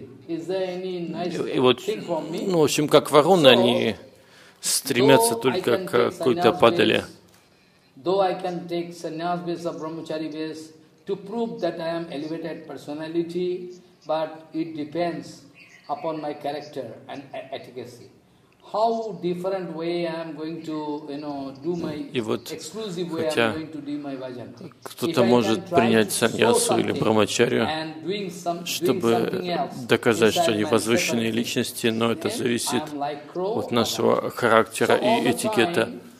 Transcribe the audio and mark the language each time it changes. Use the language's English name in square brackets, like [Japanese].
[Russian] И вот, ну, в общем, как вороны, они стремятся только к какой-то падали. [English] Though I can take sannyas base or brahmachari base to prove that I am elevated personality, but it depends upon my character and efficacy. How different way I am going to, you know, do my exclusive way I am going to do my bhajan. [Russian] Кто-то может принять саньясу или брамачарию, чтобы доказать, что они возвышенные личности, но это зависит от нашего характера и этикета.